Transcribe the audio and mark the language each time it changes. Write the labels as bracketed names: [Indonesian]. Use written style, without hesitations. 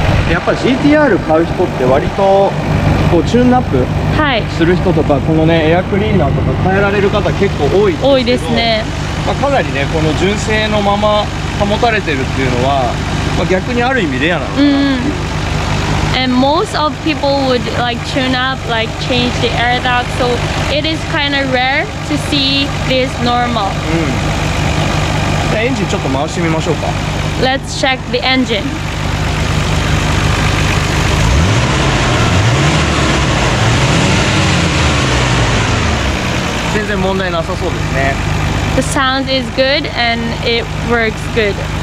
[Japanese] やっぱ GTR 買う人って割とこうチューンナップする人とか、はい、このねエアクリーナーとか変えられる方結構多いんですけど、多いですね、まあ、かなりねこの純正のまま保たれてるっていうのは、まあ、逆にある意味レアなのかな。 [English] And most of people would like tune up, like change the air duct, so it is kind of rare to see this normal。 [Japanese] うん、エンジンちょっと回してみましょうか。 [English] Let's check the engine。 [Japanese] 全然問題なさそうですね。 [English] The sound is good and it works good。